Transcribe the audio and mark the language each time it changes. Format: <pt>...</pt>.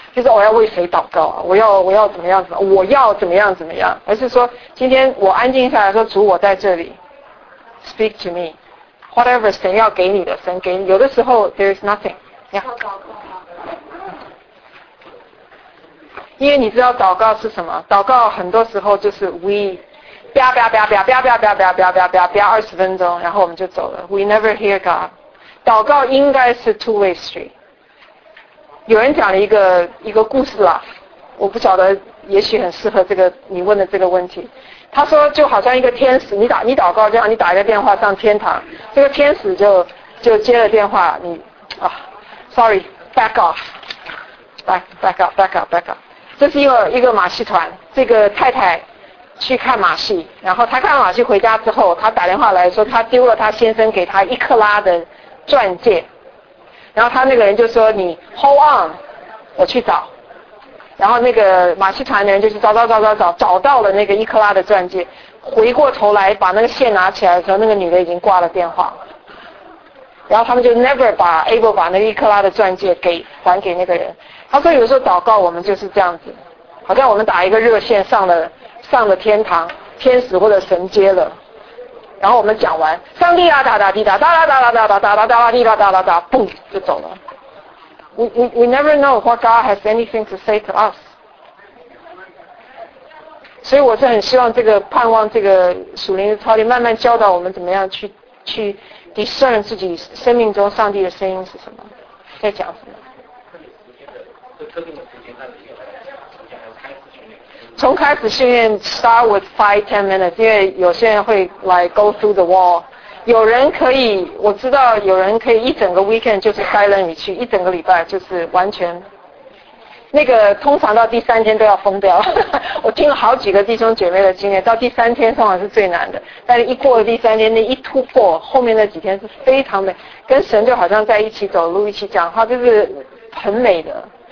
<zh>就是我要为谁祷告、啊、我要怎么样怎么样，我要怎么样怎么样，而是说今天我安静下来说，主我在这里</zh> <en>speak to me whatever</en> <zh>神要给你的，神给你。有的时候</zh> <en>there is nothing、</en> <zh>yeah. 因为你知道祷告是什么，祷告很多时候就是 we 啪啪啪啪啪啪啪啪啪啪啪啪二十分钟然后我们就走了，</zh> <en>we never hear God。</en> <zh>祷告应该是</zh> <en>two way street。</en> <zh>有人讲了一个故事啦，我不晓得，也许很适合这个你问的这个问题。他说就好像一个天使，你祷告这样，你打一个电话上天堂，这个天使就接了电话，你啊 ，</zh> <en>sorry， back off， back off，</en> <zh>这是一个马戏团，这个太太去看马戏，然后她看了马戏回家之后，她打电话来说她丢了她先生给她一克拉的钻戒。然后他那个人就说你</zh> <en>hold on</en> <zh>我去找，然后那个马戏团的人就是找找到了那个一克拉的钻戒，回过头来把那个线拿起来的时候，那个女的已经挂了电话，然后他们就 never 把 able 把那个一克拉的钻戒给还给那个人。他说有时候祷告我们就是这样子，好像我们打一个热线上了天堂，天使或者神接了，然后我们讲完，上帝啊，哒哒滴哒，哒哒哒哒哒哒哒哒哒哒滴哒哒哒哒，嘣就走了。</zh> <en>We never know what God has anything to say to us。</en> <zh>所以我是很希望这个盼望，这个属灵的操练慢慢教导我们怎么样去 discern 自己生命中上帝的声音是什么，在讲什么。从开始训练</zh> <en>start with 5-10 minutes，</en> <zh>因为有些人会</zh> <en>like go through the wall，</en> <zh>有人可以，我知道有人可以一整个 weekend 就是 silent retreat， 一整个礼拜就是完全，那个通常到第三天都要疯掉。我听了好几个弟兄姐妹的经验，到第三天通常是最难的，但是一过了第三天，那一突破，后面那几天是非常美，跟神就好像在一起走路，一起讲话，就是很美的。</zh>